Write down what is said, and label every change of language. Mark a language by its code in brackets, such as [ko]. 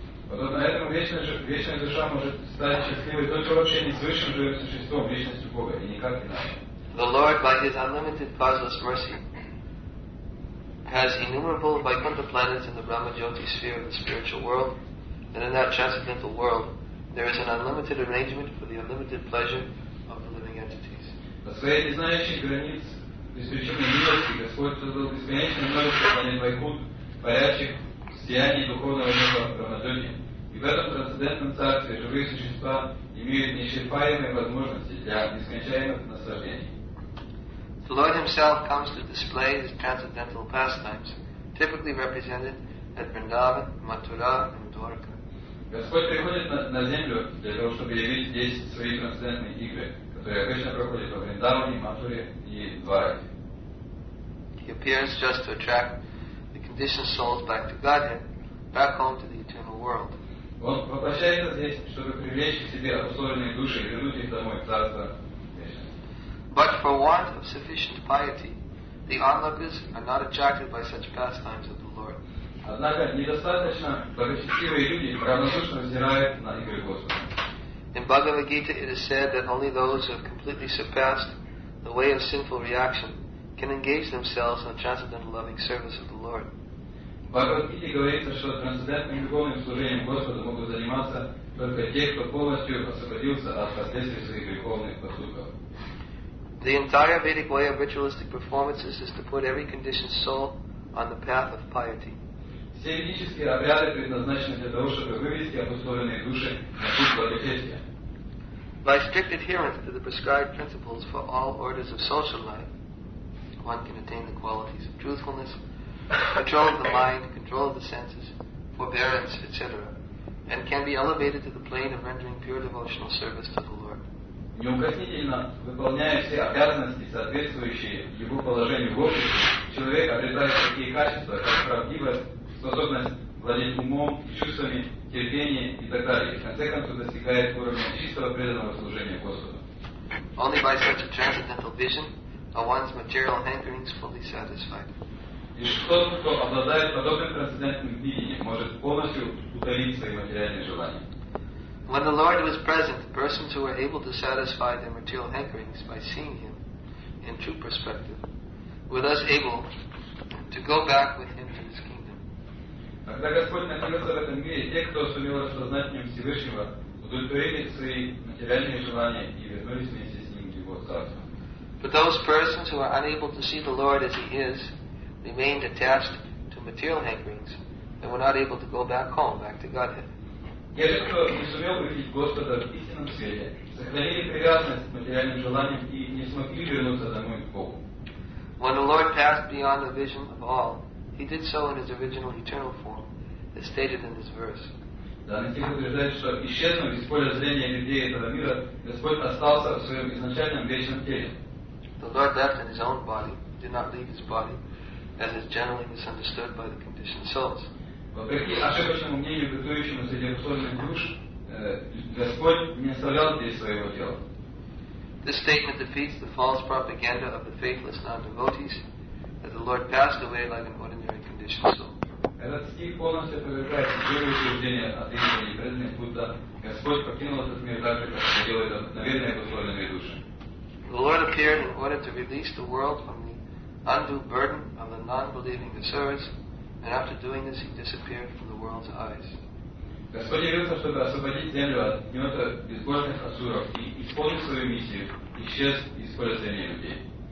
[en] The Lord, by His unlimited causeless mercy, has innumerable Vaikuntha planets in the Brahma-Jyoti sphere of the spiritual world, and in that transcendental world, there is an unlimited arrangement for the unlimited pleasure of the living entities. [ru] исключительно милости, Господь создал бесконечное множество Ванильвайкут, парящих в сиянии духовного неба Брамаджоги. И в этом трансцендентном царстве живые существа имеют неисчерпаемые возможности для нескончаемых наслаждений. [en] The Lord Himself comes to display His transcendental pastimes, typically represented at Vrindavan, Mathura, and Dwarka. [ru] Господь приходит на землю для того, чтобы явить здесь свои трансцендентные игры, которые обычно проходят во Вриндаване, Матуре и Двараке. [en] He appears just to attract the conditioned souls back to Godhead, back home to the eternal world. [ru] Он воплощается здесь, чтобы привлечь к себе обусловленные души и вернуть их домой в царство. [en] But for want of sufficient piety, the onlookers are not attracted by such pastimes of the Lord. [ru] Однако недостаточно благочестивые люди равнодушно взирают на игры Господа. [en] In Bhagavad Gita it is said that only those who have completely surpassed the way of sinful reaction can engage themselves in the transcendental loving service of the Lord. [ru] В Бхагавад Гите говорится, что трансцендентным любовным служением Господа могут заниматься только те, кто полностью освободился от последствий своих греховных поступков. [en] The entire Vedic way of ritualistic performances is to put every conditioned soul on the path of piety. [ru] Все ведические обряды предназначены для того, чтобы вывести обусловленные души на путь благочестия. [en] By strict adherence to the prescribed principles for all orders of social life, one can attain the qualities of truthfulness, control of the mind, control of the senses, forbearance, etc., and can be elevated to the plane of rendering pure devotional service to the Lord. [ru] Неукоснительно выполняя все обязанности, соответствующие его положению в обществе, человек обретает такие качества, как правдивость, способность владеть умом и чувствами, терпение и так далее, и в конце концов достигает уровня чистого преданного служения Господу. [en] Only by such a transcendental vision are one's material hankerings fully satisfied. [ru] Лишь тот, кто обладает подобным трансцендентным видением, может полностью утолить свои материальные желания. [en] When the Lord was present, the persons who were able to satisfy their material hankerings by seeing Him in true perspective were thus able to go back with Him to His kingdom. [ru] Когда Господь находился в этом мире, те, кто сумел осознать в Нем Всевышнего, удовлетворили свои материальные желания и вернулись вместе с Ним в Его царство. [en] But those persons who were unable to see the Lord as He is remained attached to material hankerings and were not able to go back home, back to Godhead. [ru] Те же, кто не сумел увидеть Господа в истинном свете, сохранили привязанность к материальным желаниям и не смогли вернуться домой к Богу. [en] When the Lord passed beyond the vision of all, He did so in His original eternal form, as stated in this verse. [ru] Данный стих утверждает, что исчезнув из поля зрения людей этого мира, Господь остался в своем изначальном вечном теле. [en] The Lord left in His own body, did not leave His body, as is generally misunderstood by the conditioned souls. [ru] Вопреки ошибочному мнению, бытующему среди обусловленных душ, Господь не оставлял здесь своего тела. [en] This statement defeats the false propaganda of the faithless non-devotees that the Lord passed away like an ordinary conditioned soul. [ru] Этот стих полностью опровергает теорию утверждения от имени преданных Будда, Господь покинул этот мир так же, как это делают обыкновенные обусловленные души. [en] The Lord appeared in order to release the world from the undue burden of the non-believing asuras. And after doing this, He disappeared from the world's eyes. [ru] Господь явился, чтобы освободить землю от гнета безбожных асуров и исполнить свою миссию, исчез из поля зрения людей.